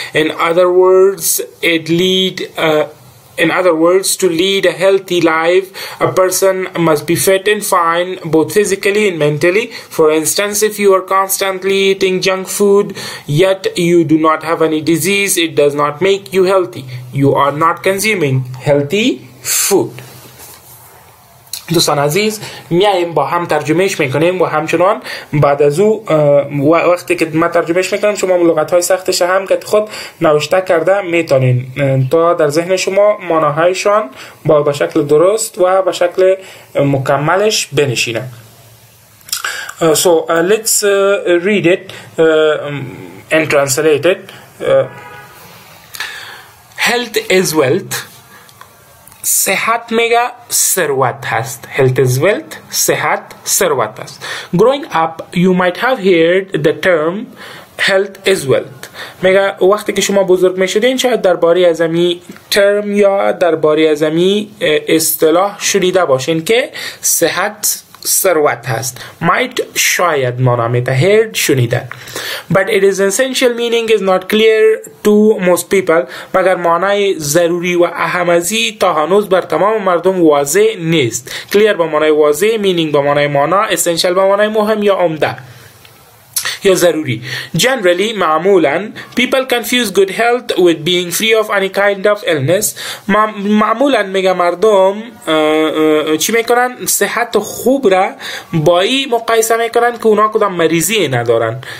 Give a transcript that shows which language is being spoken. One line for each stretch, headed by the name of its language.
English: In other words, to lead a healthy life, a person must be fit and fine, both physically and mentally. For instance, if you are constantly eating junk food, yet you do not have any disease, it does not make you healthy. You are not consuming healthy food.
Persian: دوستان عزیز، میایم با هم ترجمهش میکنیم و همچنان بعد از او وقتی که ما ترجمهش میکنم، شما لغت های سختش هم که خود نوشته کرده میتونین تا در ذهن شما معناهایشان با به شکل درست و به شکل مکملش بنشینه.
English: So let's read it and translate it. Health is wealth.
Persian: صحت میگه ثروت هست.
English: Health is wealth.
Persian: صحت ثروت هست.
English: Growing up, you might have heard the term health is wealth.
Persian: میگه وقتی که شما بزرگ میشدین، شاید درباره از امی ترم یا درباره از امی اصطلاح شنیده باشین که صحت ثروت هست. Might شاید مانامیده heard شنیده.
English: But it is essential meaning is not clear to most people.
Persian: مگر معنای ضروری و اهمیتی تا هنوز بر تمام مردم واضح نیست. Clear با معنای واضح، meaning با معنای معنا، essential با معنای مهم یا عمده یا ضروری.
English: Generally معمولا people confuse good health with being free of any kind of illness.
Persian: معمولا میگه مردم چی میکنن؟ صحت خوب را با این مقایسه میکنن که اونا کدام مریضی ندارن.